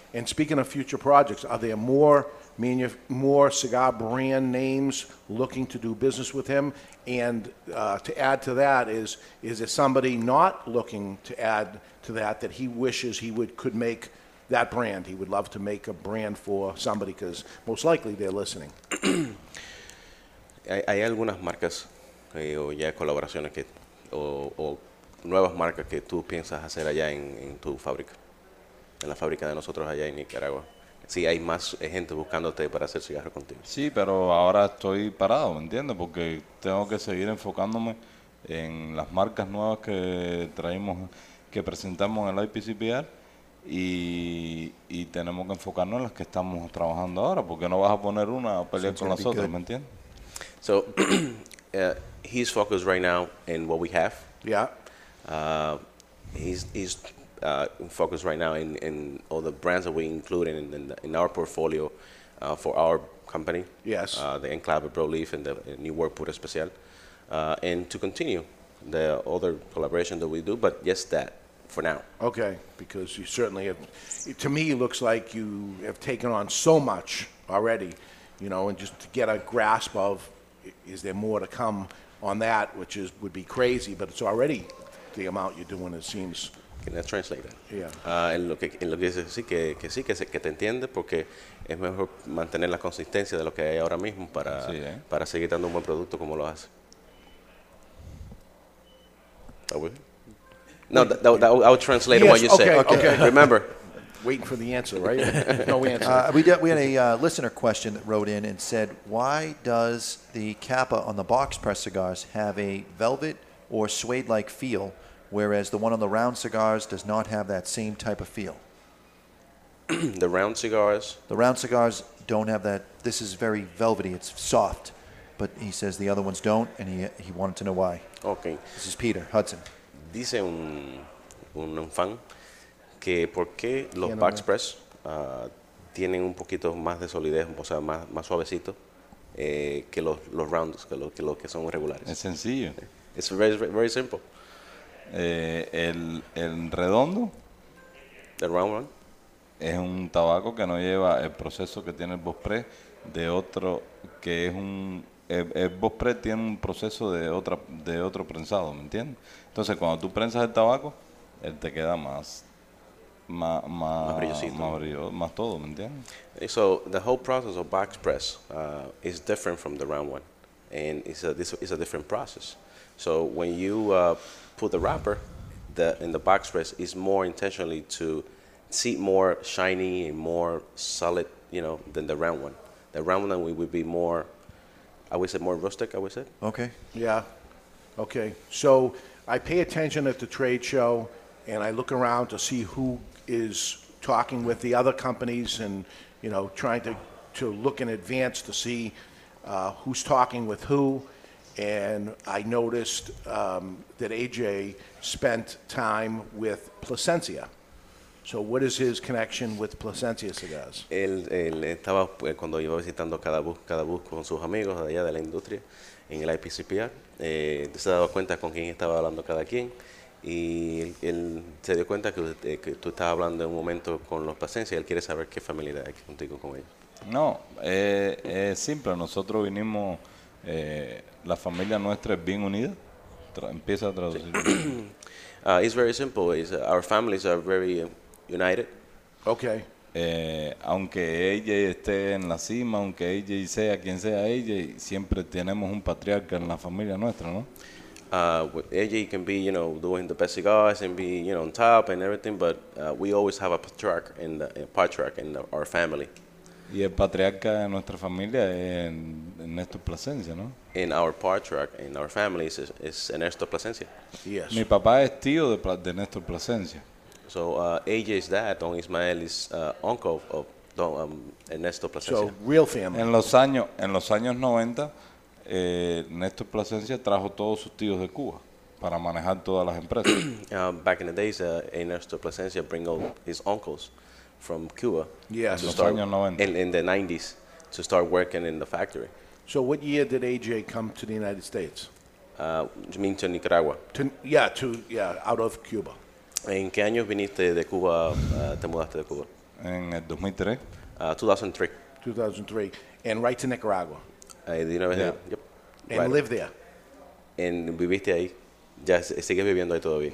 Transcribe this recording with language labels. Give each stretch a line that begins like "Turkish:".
English: And speaking of future projects, are there more cigar brand names looking to do business with him? And to add to that, is there somebody not looking to add to that he wishes he could make that brand? He would love to make a brand for somebody because most likely they're listening.
Spanish: Hay algunas marcas o ya colaboraciones que o nuevas marcas que tú piensas hacer allá en tu fábrica, en la fábrica de nosotros allá en Nicaragua. Sí, hay más gente buscándote para hacer cigarros contigo. Sí, pero ahora estoy parado, ¿me entiendes? Porque tengo que seguir enfocándome en las marcas nuevas que presentamos en el IPCPR y tenemos que enfocarnos en las que estamos trabajando ahora, porque no vas a poner una a pelear con las otras, ¿me entiendes?
English: So, he's focused right now in what we have. Yeah. He's focused right now in all the brands that we include in our portfolio for our company. Yes. The Enclave Broleaf and the New Work Pura Especial. And to continue the other collaboration that we do, but just that for now. Okay, because you certainly have, to me, it looks like you have taken on so much already, you know, and just to get a grasp of, is there more to come on that, which is would be crazy, but it's already the amount you're doing, it seems. Can I translate that? Yeah.
Spanish: En lo que dice que sí, que te entiende, porque es mejor mantener la consistencia de lo que hay ahora mismo para, sí, ¿eh? Para seguir dando un buen producto como lo hace.
English: I'll translate yes, what you okay, said. Okay. Remember. Waiting for the answer, right? No answer. We had a listener question that wrote in and said, why does the Kappa on the box press cigars have a velvet or suede-like feel, whereas the one on the round cigars does not have that same type of feel? The round cigars don't have that. This is very velvety. It's soft. But he says the other ones don't, and he wanted to know why. Okay. This is Peter Hudson.
Spanish: Dice un fan que por qué los Box Press tienen un poquito más de solidez, o sea, más suavecito que los rounds, que son regulares. Es sencillo.
English: It's very, very, very simple.
Spanish: El redondo.
English: The round one.
Spanish: Es un tabaco que no lleva el proceso que tiene el Box Press de otro que es un... El Box Press tiene un proceso de otro prensado, ¿me entiendes? Entonces, cuando tú prensas el tabaco, él te queda más brillosito, más brilloso, más todo, ¿me entiendes?
English: So the whole process of Box Press is different from the round one, and it's a different process. So when you put the wrapper in the Box Press, it's more intentionally to see more shiny and more solid, you know, than the round one. The round one would be more, I would say, more rustic, I would say. Okay. Yeah. Okay. So I pay attention at the trade show, and I look around to see who is talking with the other companies and, you know, trying to look in advance to see who's talking with who. And I noticed that AJ spent time with Plasencia. So what is his connection with Plasencia cigars?
Spanish: Él estaba cuando iba visitando cada bus con sus amigos allá de la industria en el IPCPR. Se daba cuenta con quién estaba hablando cada quien y él se dio cuenta que tú estabas hablando en un momento con los Plasencia y él quiere saber qué familiaridad hay contigo con ellos. No, es simple. Nosotros vinimos, la familia nuestra es bien unida. Empieza a traducir. Sí.
English: It's very simple. Our families are very united. Okay.
Spanish: Aunque ella esté en la cima, aunque ella sea quien sea ella, siempre tenemos un patriarca en la familia nuestra, ¿no? Ella
English: can be, you know, doing the best cigars and be, you know, on top and everything, but we always have a patriarch in our family.
Spanish: Y el patriarca de nuestra familia es Ernesto Plasencia, ¿no?
English: In our patriarch, in our family, is Ernesto Plasencia. Yes.
Spanish: Mi papá es tío de Ernesto Plasencia.
English: So AJ's dad, Don Ismael, is uncle of Don Ernesto Plasencia. So real family.
Spanish: En los años 90, Ernesto Plasencia trajo todos sus tíos de Cuba para manejar todas las empresas.
English: Back in the days, Ernesto Plasencia bring all his uncles from Cuba. Yes. In the 90s, to start working in the factory. So what year did AJ come to the United States? You mean to Nicaragua? Out of Cuba.
Spanish: ¿En qué año viniste de Cuba, te mudaste de Cuba? En el 2003.
English: 2003. And right to Nicaragua. Yep. And right. Live there.
Spanish: And viviste ahí. Ya sigues viviendo ahí todavía.